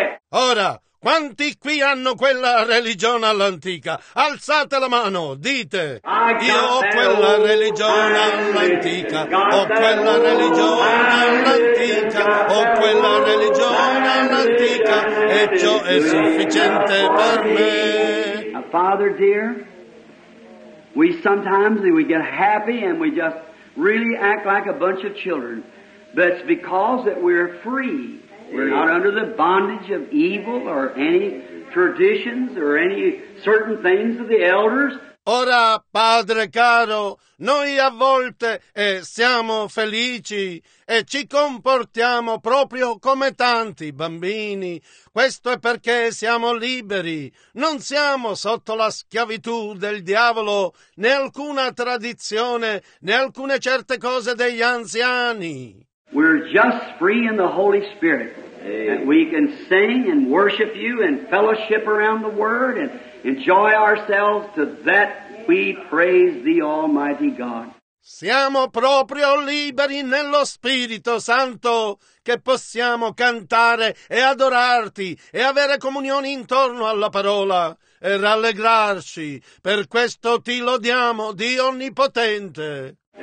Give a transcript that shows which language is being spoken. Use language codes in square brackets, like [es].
[it] Ora, quanti qui hanno quella religione all'antica? Alzate la mano, dite. Io ho quella religione all'antica. Ho quella religione all'antica. Ho quella religione all'antica. E ciò è sufficiente per me. [en] Father dear, we sometimes we get happy and we just really act like a bunch of children. But it's because that we're free. We're not under the bondage of evil or any traditions or any certain things of the elders. [it] Ora, Padre caro, noi a volte siamo felici e ci comportiamo proprio come tanti bambini. Questo è perché siamo liberi. Non siamo sotto la schiavitù del diavolo, né alcuna tradizione, né alcune certe cose degli anziani. [en] We're just free in the Holy Spirit. And we can sing and worship you and fellowship around the Word and enjoy ourselves to that we praise the Almighty God. [it] Siamo proprio liberi nello Spirito Santo che possiamo cantare e adorarti e avere comunione intorno alla parola e rallegrarci. Per questo ti lodiamo, Dio Onnipotente.